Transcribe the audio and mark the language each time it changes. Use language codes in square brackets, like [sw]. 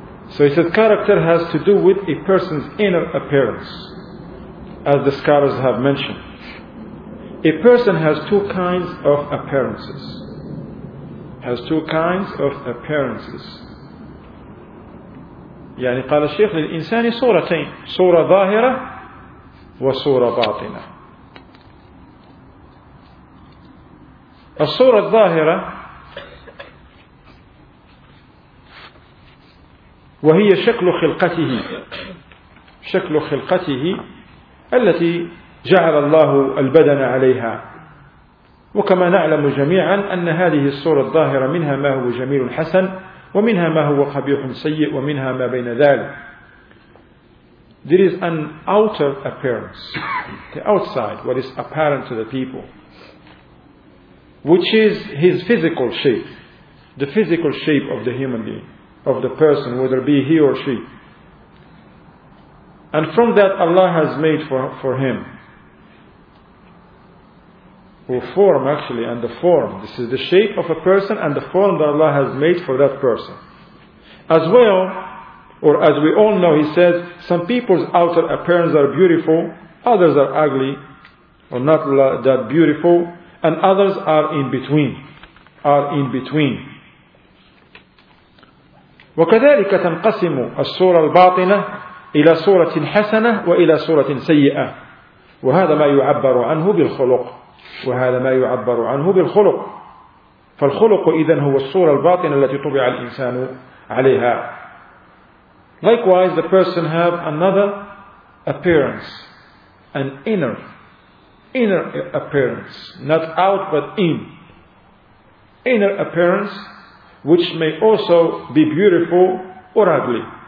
[en] So he said character has to do with a person's inner appearance, as the scholars have mentioned. A person has two kinds of appearances. Has two kinds of appearances. [ar] يعني قال الشيخ للإنسان صورتين, صورة ظاهرة وصورة باطنة. الصورة الظاهرة وهي شكل خلقته, شكل خلقته التي جعل الله البدن عليها. وكما نعلم جميعا أن هذه الصورة الظاهرة منها ما هو جميل حسن ومنها ما هو قبيح سيء ومنها ما بين ذلك. [en] There is an outer appearance, the outside, what is apparent to the people, which is his physical shape, the physical shape of the human being, of the person, whether be he or she. And from that Allah has made for him, or form actually, and the form, this is the shape of a person and the form that Allah has made for that person. As well, or as we all know, he says, some people's outer appearance are beautiful, others are ugly, or not that beautiful, and others are in between, are in between. [ar] وكذلك تنقسم الصورة الباطنة إلى صورة حسنة وإلى صورة سيئة. وهذا ما يعبر عنه بالخلق. وهذا ما يعبر عنه بالخلق. فالخلق إذن هو الصورة الباطنة التي طبع الإنسان عليها. [en] Likewise, the person have another appearance, an inner appearance, not out but in. Inner appearance, which may also be beautiful or ugly.